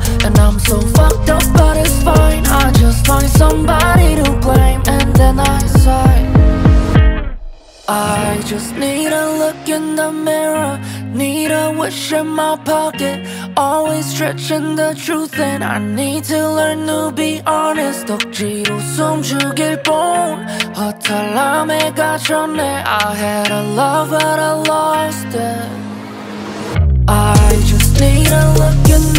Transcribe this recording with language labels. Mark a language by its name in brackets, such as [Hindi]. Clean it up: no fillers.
[English] And I'm so fucked up but it's fine. I just find somebody to blame and then I sigh. I just need a look in the mirror, need a wish in my pocket, always stretching the truth, and I need to learn to be honest. [Korean] 덕지로 숨 죽일 뻔 허탈함에 갇혔네. [English] I had a love but I lost it. I just need a look in the mirror.